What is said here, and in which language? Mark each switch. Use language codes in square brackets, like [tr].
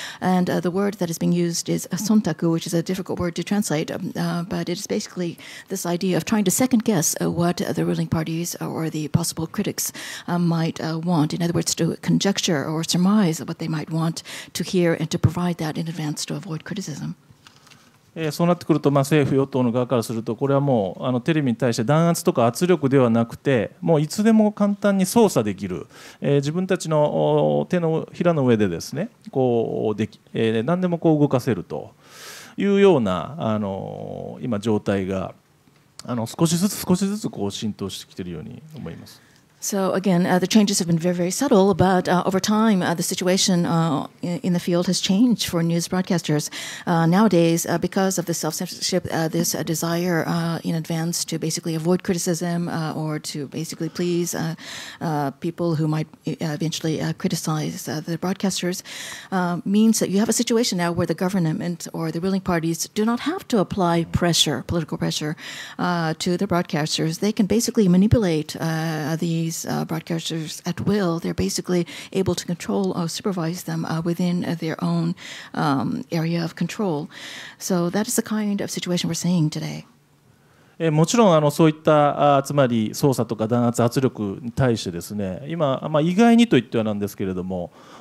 [en] And the word that is being used is sontaku, which is a difficult word to translate, but it's basically this idea of trying to second-guess what the ruling parties or the possible critics might want. In other words, to conjecture or surmise what they might want to hear and to provide that in advance to avoid criticism. [ja] そうなってくると、政府与党の側からするとこれはもうテレビに対して弾圧とか圧力ではなくてもういつでも簡単に操作できる自分たちの手のひらの上でですねこうでき何でもこう動かせるというような今状態が少しずつ少しずつこう浸透してきているように思います。 [en] So again, the changes have been very, very subtle, but over time, the situation in the field has changed for news broadcasters. Nowadays, because of the self-censorship, this desire in advance to basically avoid criticism or to basically please people who might eventually criticize the broadcasters means that you have a situation now where the government or the ruling parties do not have to apply pressure, political pressure, to the broadcasters. They can basically manipulate the broadcasters at will. They're basically able to control or supervise them within their own area of control. So that is the kind of situation we're seeing today. [ja] もちろんそういったつまり操作とか弾圧圧力に対してですね、今、意外にといってはなんですけれども、